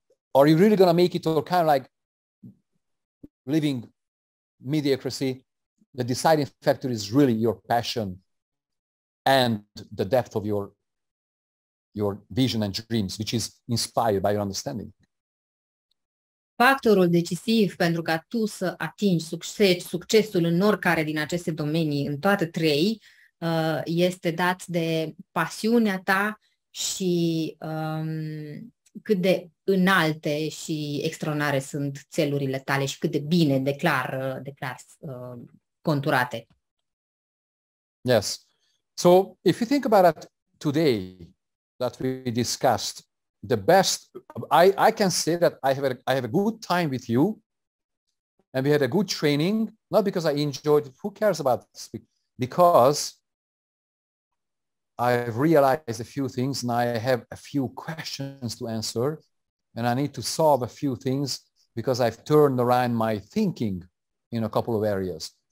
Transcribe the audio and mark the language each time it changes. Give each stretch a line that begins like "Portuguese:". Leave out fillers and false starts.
English: Are you really going to make it or kind of like living mediocrity? The deciding factor is really your passion and the depth of your vision and dreams, which is inspired by your understanding.
Romanian: Factorul decisiv pentru ca tu să atingi succesul în oricare din aceste domenii, în toate trei, este dat de pasiunea ta și cât de înalte și extraordinare sunt țelurile tale și cât de bine declar conturate.
English: Yes. So, if you think about it today that we discussed, the best, I can say that I have a good time with you and we had a good training, not because I enjoyed it, who cares about this? Because I've realized a few things and I have a few questions to answer and I need to solve a few things because I've turned around my thinking in a couple of areas.